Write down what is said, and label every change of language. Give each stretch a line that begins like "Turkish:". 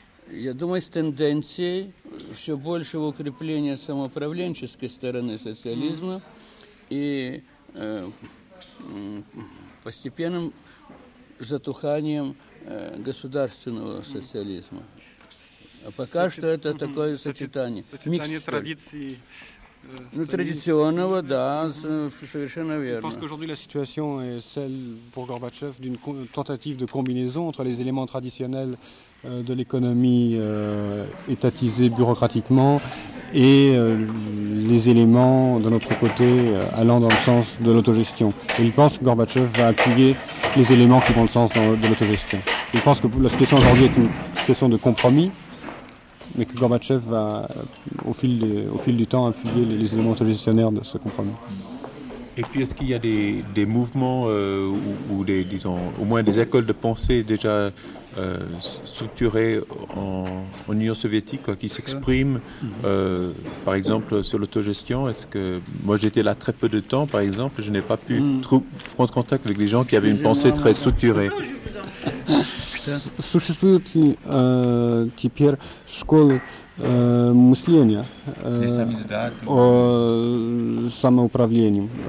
Russian: Я думаю, с тенденцией все большего укрепления самоуправленческой стороны социализма и постепенным затуханием государственного социализма. А пока что это такое сочетание. Сочетание традиций. Ну, традиционного, да, совершенно верно. Я думаю, что сегодня ситуация
French: celle pour Gorbatchev d'une tentative de combinaison entre les éléments traditionnels de l'économie étatisée bureaucratiquement et les éléments de notre côté allant dans le sens de l'autogestion. Et il pense que Gorbatchev va appuyer les éléments qui vont le sens de l'autogestion. Il pense que la situation aujourd'hui est une situation de compromis, mais que Gorbatchev va, au fil du temps, appuyer les éléments autogestionnaires de ce compromis. Et puis, est-ce qu'il y a des mouvements ou des, disons, au moins des écoles de pensée déjà structurées en Union soviétique, quoi, qui s'expriment, par exemple, sur l'autogestion? Est-ce que, moi, j'étais là très peu de temps, par exemple, je n'ai pas pu prendre contact avec des gens qui avaient une pensée très structurée.
Russian: Существуют ли теперь школы мышления о самоуправлении?